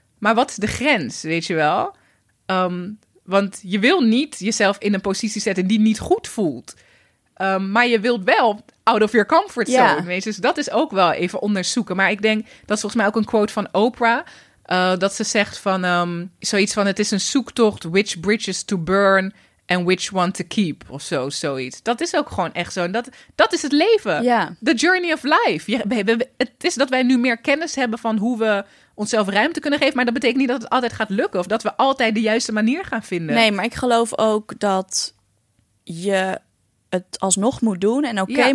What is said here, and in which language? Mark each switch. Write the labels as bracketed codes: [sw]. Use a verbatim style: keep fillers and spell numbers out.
[nl] Maar wat is de grens, weet je wel? Um, want je wil niet jezelf in een positie zetten die niet goed voelt. Um, maar je wilt wel [en] out of your comfort zone. [nl] Ja. Dus dat is ook wel even onderzoeken. Maar ik denk, dat is volgens mij ook een quote van Oprah. Uh, dat ze zegt van um, zoiets van... het is een zoektocht, [en] which bridges to burn... and which one to keep, [nl] of zo, zoiets. Dat is ook gewoon echt zo. En dat, dat is het leven. Ja. [en] The journey of life. [nl] Ja, we, we, het is dat wij nu meer kennis hebben van hoe we onszelf ruimte kunnen geven. Maar dat betekent niet dat het altijd gaat lukken. Of dat we altijd de juiste manier gaan vinden. Nee, maar ik geloof ook dat je het alsnog moet doen. En oké okay ja.